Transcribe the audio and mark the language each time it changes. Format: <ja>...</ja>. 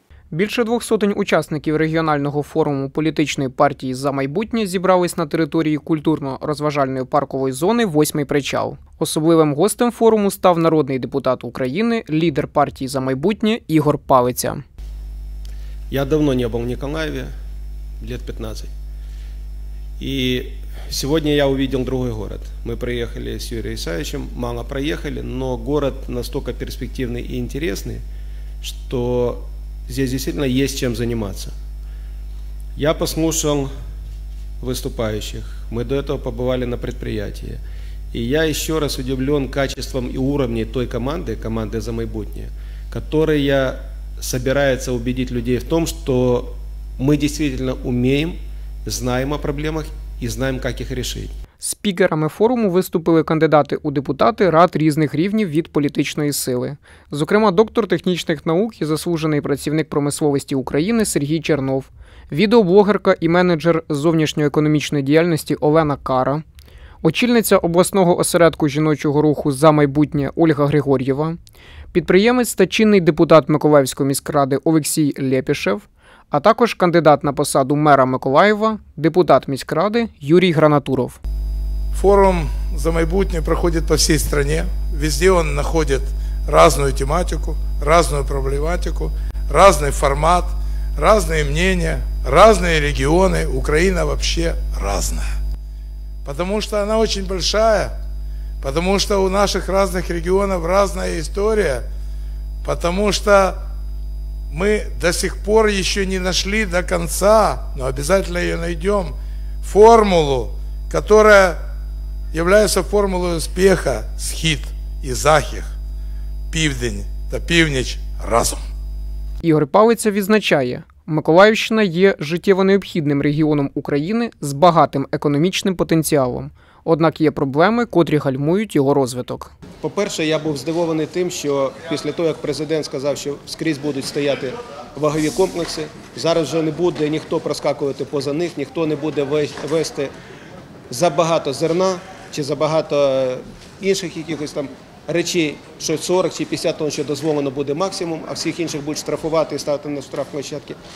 <uk>Більше 200 учасників регіонального форуму політичної партії «За майбутнє» зібрались на території культурно-розважальної паркової зони «Восьмий причал». Особливим гостем форуму став народний депутат України, лідер партії «За майбутнє» Ігор Палиця.</uk> <ru>Я давно не был в Николаеве, лет 15. И сегодня я увидел другой город. Мы приехали с Юрием Исаевичем, мало проехали, но город настолько перспективный и интересный, что здесь действительно есть чем заниматься. Я послушал выступающих. Мы до этого побывали на предприятии. И я еще раз удивлен качеством и уровней той команды, команды «За майбутнє», которая собирается убедить людей в том, что мы действительно умеем, знаем о проблемах и знаем, как их решить.</ru> <uk>Спікерами форуму виступили кандидати у депутати рад різних рівнів від політичної сили. Зокрема, доктор технічних наук і заслужений працівник промисловості України Сергій Чернов, відеоблогерка і менеджер зовнішньоекономічної діяльності Олена Кара, очільниця обласного осередку жіночого руху «За майбутнє» Ольга Григор'єва, підприємець та чинний депутат Миколаївської міськради Олексій Лєпішев, а також кандидат на посаду мера Миколаєва, депутат міськради Юрій Гранатуров. Форум «За майбутнє» проходить по всій країні. Везде він знаходить різну тематику, різну проблематику, різний формат, різні мнення, різні регіони. Україна взагалі різна.</uk> <ru>Потому что она очень большая, потому что у наших разных регионов разная история, потому что мы до сих пор еще не нашли до конца, но обязательно ее найдем, формулу, которая является формулой успеха,</ru> <uk>схід и захих, південь та північ разом. Ігор Палиця відзначає: Миколаївщина є життєво необхідним регіоном України з багатим економічним потенціалом. Однак є проблеми, котрі гальмують його розвиток. По-перше, я був здивований тим, що після того, як президент сказав, що скрізь будуть стояти вагові комплекси, зараз вже не буде ніхто проскакувати поза них, ніхто не буде вести забагато зерна чи забагато інших якихось там речі, що 40 чи 50 тонн, що дозволено буде максимум, а всіх інших будуть штрафувати і ставити на штраф площадки.</uk>